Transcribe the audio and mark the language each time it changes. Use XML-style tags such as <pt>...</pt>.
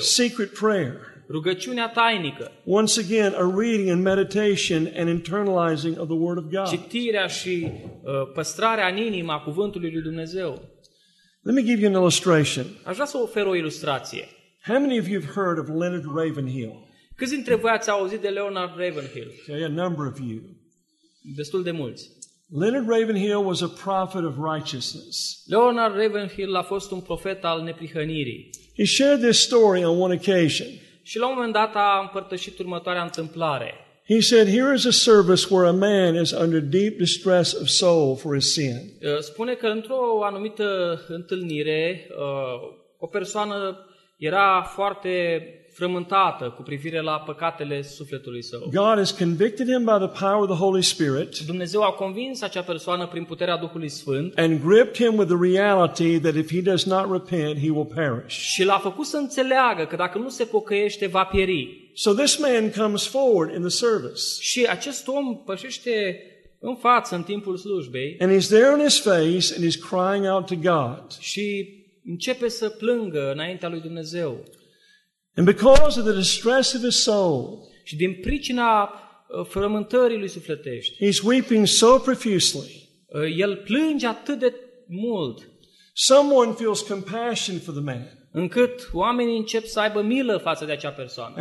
<en>Secret prayer.</en> <ro>Rugăciunea tainică.</ro> <en>Once again, a reading and meditation and internalizing of the word of God.</en> <ro>Citirea și păstrarea în inimă a cuvântului lui Dumnezeu.</ro> <en>Let me give you an illustration.</en> <ro>Aș vrea să ofer o ilustrație.</ro> <en>How many of you have heard of Leonard Ravenhill?</en> <ro>Câți dintre voi ați auzit de Leonard Ravenhill?</ro> <en>Yeah, a number of you.</en> <ro>Destul de mulți.</ro> <en>Leonard Ravenhill was a prophet of righteousness.</en> <ro>Leonard Ravenhill a fost un profet al neprihănirii.</ro> <en>He shared this story on one occasion.</en> <ro>Și la un moment dat a împărtășit următoarea întâmplare.</ro> <en>He said, "Here is a service where a man is under deep distress of soul for his sin."</en> <ro>Spune că într-o anumită întâlnire, o persoană era foarte frământată cu privire la păcatele sufletului său.</ro> <en>God has convicted him by the power of the Holy Spirit.</en> <ro>Dumnezeu a convins acea persoană prin puterea Duhului Sfânt.</ro> <en>And gripped him with the reality that if he does not repent, he will perish.</en> <ro>Și l-a făcut să înțeleagă că dacă nu se pocăiește, va pieri.</ro> <en>So this man comes forward in the service.</en> <ro>Și acest om pășește în față în timpul slujbei.</ro> <en>And he's there on his face and he's crying out to God.</en> <ro>Și începe să plângă înaintea lui Dumnezeu.</ro> <en>And because of the distress of his soul,</en> <ro>și din pricina frământării lui sufletești,</ro> <en>he's weeping so profusely.</en> <ro>El plânge atât de mult.</ro> <en>Someone feels compassion for the man.</en> <ro>Încât oamenii încep să aibă milă față de acea persoană.</ro>